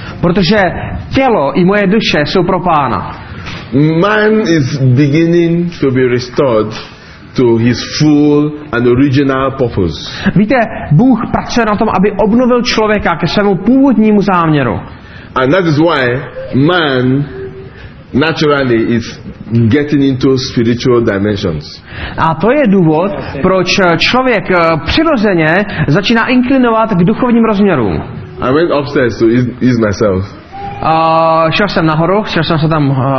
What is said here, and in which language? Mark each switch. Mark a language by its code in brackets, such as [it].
[cs] Protože tělo i moje duše jsou pro Pána. [en] Man is beginning to be restored to his full and original purpose. [cs] Víte, Bůh pracuje na tom, aby obnovil člověka ke svému původnímu záměru. [en] And that is why man naturally is getting into spiritual dimensions. [cs] A to je důvod, proč člověk přirozeně začíná inklinovat k duchovním rozměrům. [en] I went upstairs to ease myself. [cs] Šel jsem nahoru, šel jsem se tam.